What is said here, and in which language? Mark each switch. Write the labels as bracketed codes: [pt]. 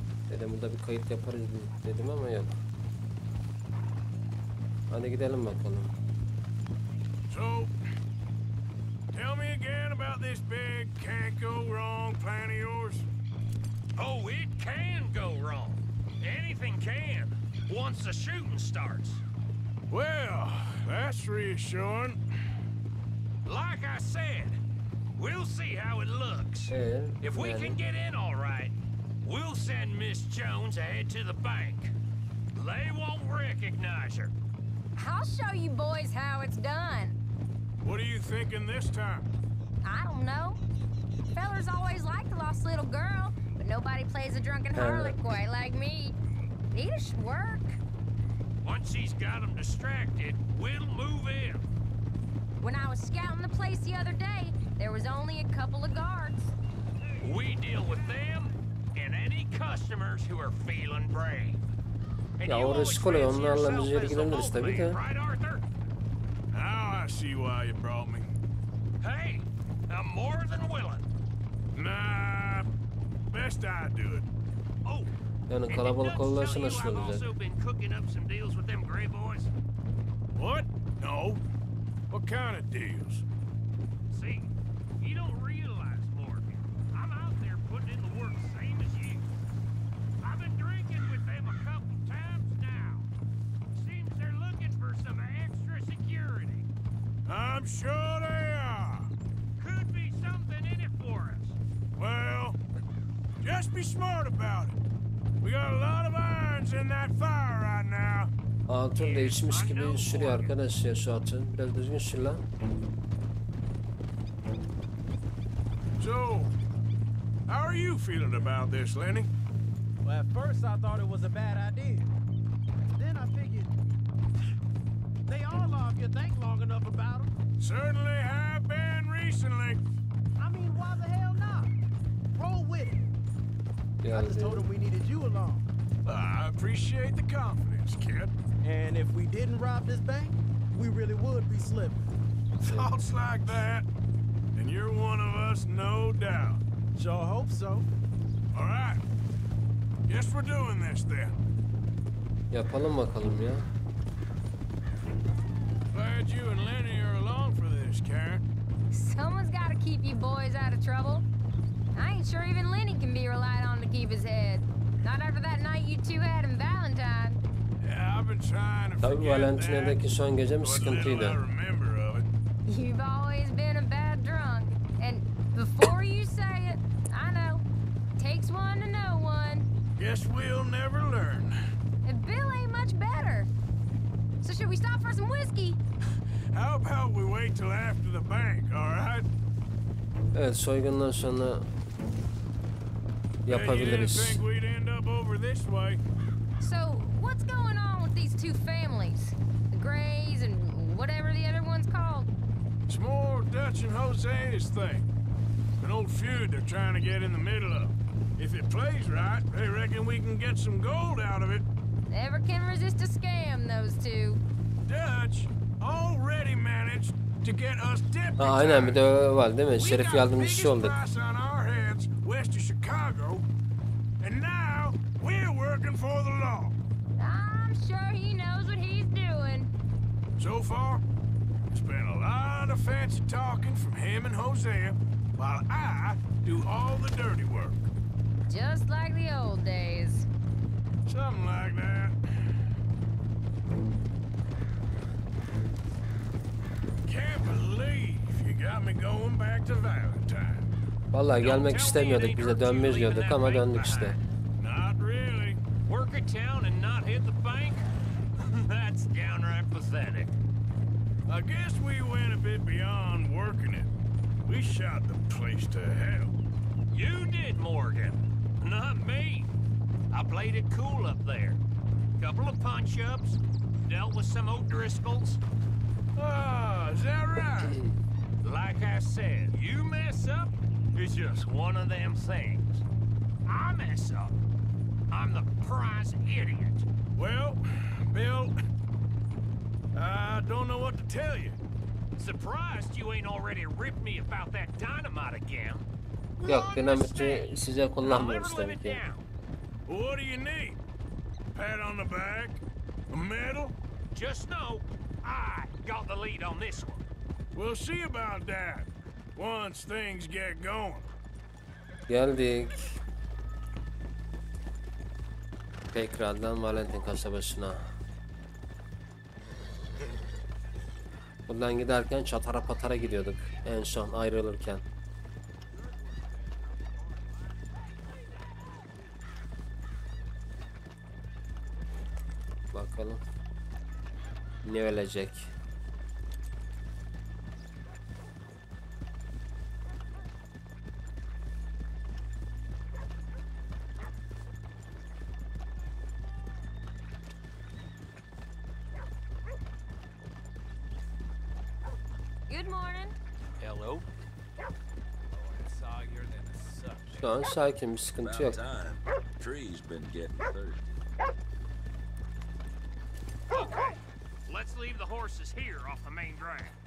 [tr] Dedim burada bir kayıt yaparız dedim ama yok. Hadi gidelim bakalım. [en] So, tell me again about this big can't go wrong plan of yours. Oh, it can go wrong. Anything can, once the shooting starts. Well, that's reassuring. Like I said, we'll see how it looks. If we can get in all right, we'll send Miss Jones ahead to the bank. They won't recognize her. I'll show you boys how it's done. What are you thinking this time? I don't know. Fellers always like the lost little girl, but nobody plays a drunken harlot quite like me. Need a work. Once she's got them distracted, we'll move in. When I was scouting the place the other day, there was only a couple of guards. We deal with them and any customers who are feeling brave. [tr] And ya orası kolay, onlarla biz yeri gidemiyoruz tabii ki. [en] Right, now I see why you brought me. Hey, I'm more than willing. Nah, best I do it. [tr] Oh, yani kalabalık olursa nasıl olacak? [en] I've also been cooking up some deals with them gray boys. What? No. What kind of deals? See, you don't realize, Morgan. I'm out there putting in the work same as you. I've been drinking with them a couple times now. Seems they're looking for some extra security. I'm sure they are. Could be something in it for us. Well, just be smart about it. We got a lot of irons in that fire right now. [tr] Altın değişmiş gibi sürüyor arkadaş ya şu atın. Biraz düzgün sür lan. [en] So, how are you feeling about this, Lenny? Well, at first I thought it was a bad idea. Then I figured they all are if you think long enough about them. Certainly have been recently. I mean, why the hell not? Roll with it. Yeah, I just told them we needed you along. I appreciate the confidence, kid. And if we didn't rob this bank, we really would be slipping. Thoughts like that, and you're one of us, no doubt. Sure hope so. All right. Guess we're doing this then. [tr] Yapalım bakalım ya. [en] Glad you and Lenny are along for this, Karen. Someone's got to keep you boys out of trouble. I ain't sure even Lenny can be relied on to keep his head. Not after that night you two had in Valentine. Yeah, I've been trying to forget [tr] Valentine'daki son gece mi sıkıntıydı? [en] You've always been a bad drunk. And before you say it, I know. Takes one to know one. Guess we'll never learn. And Bill ain't much better. So should we stop for some whiskey? How about we wait till after the bank, all right? [tr] Evet, soygundan sonra yapabiliriz. [en] Hey, you didn't think we'd end up over this way. So, what's going on with these two families? The Grays and whatever the other one's called? It's more Dutch and Jose's thing. An old feud they're trying to get in the middle of. If it plays right, they reckon we can get some gold out of it. Never can resist a scam, those two. Dutch already managed to get us deputized. [tr] Aa, aynen, bir de öyle var değil mi? Şerif yardımcısı şey olduk. [en] We got the biggest price on our heads west of Chicago. And now we're working for the law. I'm sure he knows what he's doing. So far, it's been a lot of fancy talking from him and Hosea, while I do all the dirty work. Just like the old days. Something like that. Can't believe you got me going back to Valentine. [tr] Vallahi gelmek istemiyorduk, bize dönmeyiz diyorduk ama döndük işte. [en] Not really. Work a town and not hit the bank? That's downright pathetic. I guess we went a bit beyond working it. We shot the place to hell. You did, Morgan. Not me. I played it cool up there. Couple of punch-ups. Dealt with some O'Driscolls. Ah, is that right? Like I said, you mess up, it's just one of them things. I mess up. I'm the prize idiot. Well, Bill, I don't know what to tell you. Surprised you ain't already ripped me about that dynamite again. [tr] Yok, dinamiti size kullanmıyoruz tabii ki. [en] What do you need? Pat on the back? A medal? Just know, I got the lead on this one. We'll see about that once things get going. [tr] Geldik. Tekrardan Valentin kasabasına. Buradan giderken çatara patara gidiyorduk en son ayrılırken. Bakalım ne ölecek. [en] Good morning. Hello. [tr] Şu an sakin, bir sıkıntı yok. [en] Tree's been getting thirsty. Let's leave the horses here off the main drag.